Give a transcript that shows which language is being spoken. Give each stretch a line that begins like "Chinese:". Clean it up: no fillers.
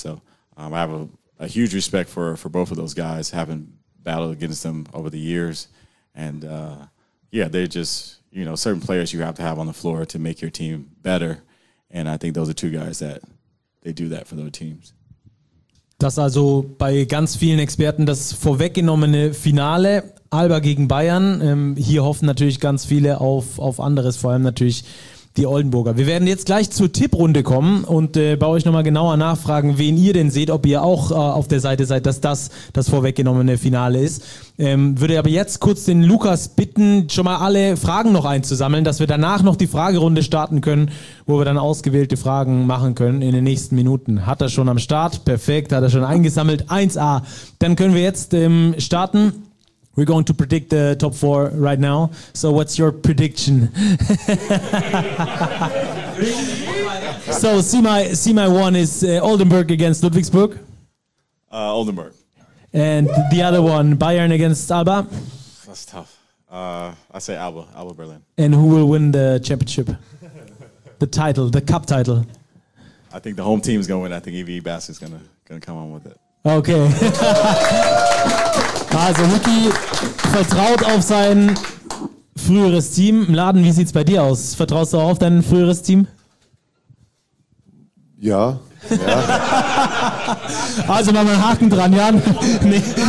English: So I have a huge respect for both of those guys, having battled against them over the years, and they're just, you know, certain players you have to have on the floor to make your team better, and I think those are two guys that they do that for their teams.
German: Das also bei ganz vielen Experten das vorweggenommene Finale, Alba gegen Bayern. Hier hoffen natürlich ganz viele auf anderes, vor allem natürlich die Oldenburger. Wir werden jetzt gleich zur Tipprunde kommen und bei euch nochmal genauer nachfragen, wen ihr denn seht, ob ihr auch auf der Seite seid, dass das vorweggenommene Finale ist. Würde aber jetzt kurz den Lukas bitten, schon mal alle Fragen noch einzusammeln, dass wir danach noch die Fragerunde starten können, wo wir dann ausgewählte Fragen machen können in den nächsten Minuten. Hat er schon am Start? Perfekt, hat er schon eingesammelt. 1A. Dann können wir jetzt starten.
English: We're going to predict the top 4 right now. So what's your prediction? So Semi 1 is Oldenburg against Ludwigsburg. Oldenburg. And the other one, Bayern against Alba. That's tough. I say Alba Berlin. And who will win the championship? The title, the cup title. I think the home team is going to win. I think EVE Basket is going to come on with it. Okay.
German: Also Ricky vertraut auf sein früheres Team. Mladen, wie sieht's bei dir aus? Vertraust du auch auf dein früheres Team? Ja. Also machen wir einen Haken dran, Jan. Nee.